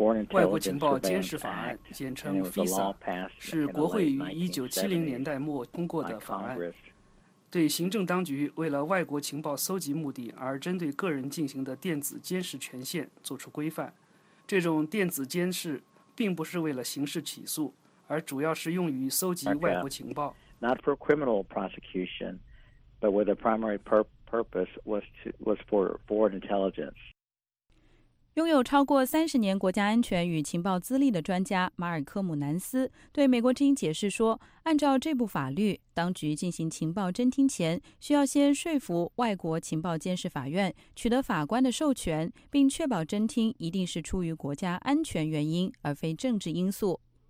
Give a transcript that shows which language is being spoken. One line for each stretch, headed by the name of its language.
Chinese: 外国情报监视法案简称 FISA 是国会于1970年代末通过的法案，对行政当局为了外国情报搜集目的而针对个人进行的电子监视权限作出规范。这种电子监视并不是为了刑事起诉，而主要是用于搜集外国情报。
English: Not for criminal prosecution, but with a primary purpose was for foreign intelligence.
Chinese: 拥有超过30年国家安全与情报资历的专家马尔科姆·南斯对美国之音解释说，按照这部法律，当局进行情报侦听前，需要先说服外国情报监视法院取得法官的授权，并确保侦听一定是出于国家安全原因，而非政治因素。